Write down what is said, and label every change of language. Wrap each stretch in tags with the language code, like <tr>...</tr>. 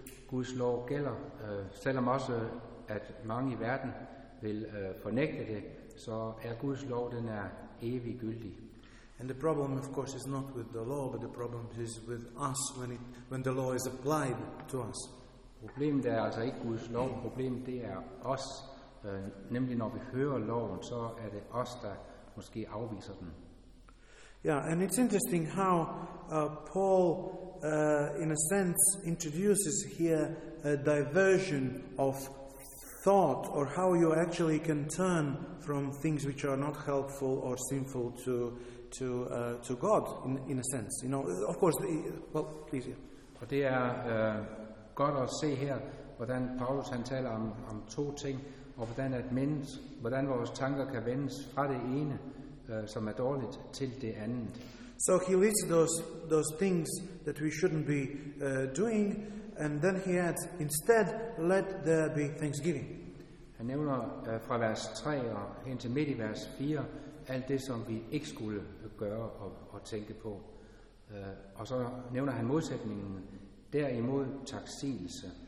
<da>Guds lov gælder, selvom også at mange i verden vil fornægte det, så er Guds lov, den er evig gyldig.</da> <en>And the problem, of course, is not with the law, but the problem is with us when the law is applied to us.</en> <da>Problemet er altså ikke Guds lov, problemet det er os. Nemlig når vi hører loven, så er det os, der måske afviser den.</da> <en>Yeah, and it's interesting how Paul, in a sense, introduces here a diversion of thought, or how you actually can turn from things which are not helpful or sinful to God, in a sense. You know, of course. Please. Yeah.</en> <da>Og det er godt at se her, hvordan Paulus han taler om to ting, og hvordan vores tanker kan vendes fra det ene, som er dårligt, til det andet.</da> <en>So he lists those things that we shouldn't be doing, and then he adds, instead, let there be thanksgiving.</en> <da>Han nævner fra vers 3 og hen til midt i vers 4 alt det, som vi ikke skulle gøre og tænke på. Og så nævner han modsætningen, derimod taksigelse.</da>